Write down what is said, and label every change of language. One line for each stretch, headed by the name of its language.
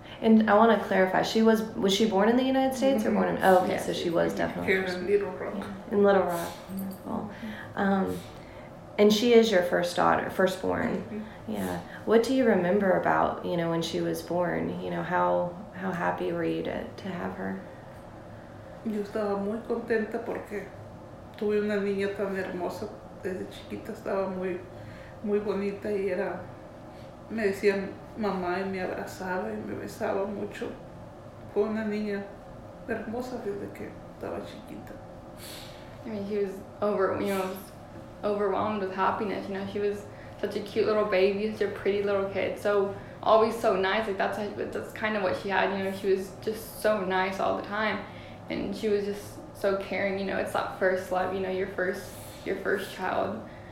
English: And I want to clarify, was she born in the United States or born in... Oh, okay, so she was definitely... Here in Little Rock. Yeah, in Little Rock. Mm-hmm. Cool. And she is your firstborn. Mm-hmm. Yeah. What do you remember about, you know, when she was born? You know, how happy were you to have her?
Spanish: Yo estaba muy contenta porque tuve una niña tan hermosa. Desde chiquita estaba muy, muy bonita y era... Me decían mamá y me abrazaba y me besaba mucho. Fue una niña hermosa desde que estaba chiquita.
English: I mean, she was overwhelmed with happiness. You know, she was such a cute little baby, such a pretty little kid. So, always so nice. Like, that's kind of what she had. You know, she was just so nice all the time. And she was just so caring. You know, it's that first love, you know, your first child.